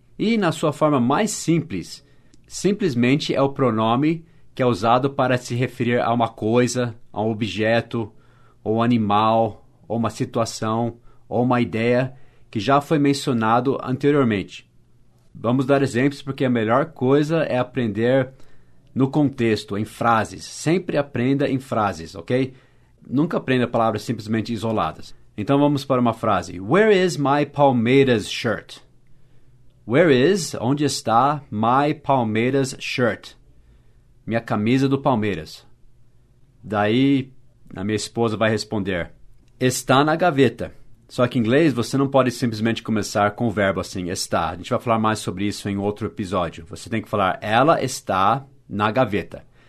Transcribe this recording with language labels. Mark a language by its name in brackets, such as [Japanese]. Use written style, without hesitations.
[Portuguese] E na sua forma mais simples, simplesmente é o pronome que é usado para se referir a uma coisa, a um objeto, ou um animal, ou uma situação, ou uma ideia que já foi mencionado anteriormente. Vamos dar exemplos, porque a melhor coisa é aprender no contexto, em frases. Sempre aprenda em frases, ok? Nunca aprenda palavras simplesmente isoladas. Então vamos para uma frase. [English] Where is my Palmeiras shirt? Where is, [Portuguese] onde está, [English] my Palmeiras shirt? [Portuguese] Minha camisa do Palmeiras. Daí, a minha esposa vai responder. Está na gaveta. Só que em inglês, você não pode simplesmente começar com o verbo assim, está. A gente vai falar mais sobre isso em outro episódio. Você tem que falar, ela está na gaveta.